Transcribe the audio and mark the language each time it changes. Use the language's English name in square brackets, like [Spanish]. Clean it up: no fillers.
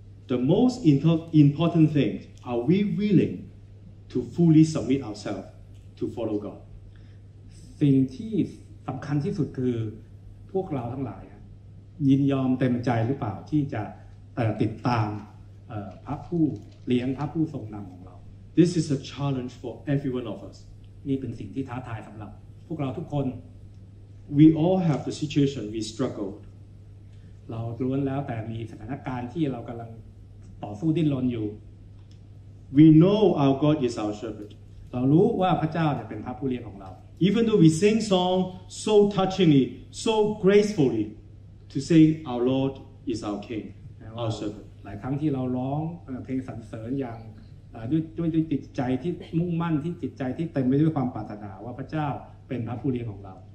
[English] The most important thing are we willing to fully submit ourselves to follow God [Thai] สิ่งที่สำคัญที่สุดคือพวกเราทั้งหลายยินยอมเต็มใจหรือเปล่าที่จะติดตามพระผู้เลี้ยงพระผู้ทรงนำของเรา [English] This is a challenge for every one of us [Thai] นี่เป็นสิ่งที่ท้าทายสำหรับพวกเราทุกคน [English] We all have the situation we struggled [Thai] เราล้วนแล้วแต่มีสถานการณ์ที่เรากำลังต่อสู้ดิ้นรนอยู่ [English] We know our God is our shepherd [Thai] เรารู้ว่าพระเจ้าเนี่ยเป็นพระผู้เลี้ยงของเรา [English] Even though we sing song so touchingly so gracefully to say our Lord is our King our shepherd [Thai] หลายครั้งที่เราร้องเพลงสรรเสริญอย่างด้วยจิตใจที่มุ่งมั่นที่จิตใจที่เต็มไปด้วยความปรารถนาว่าพระเจ้าเป็นพระผู้เลี้ยงของเรา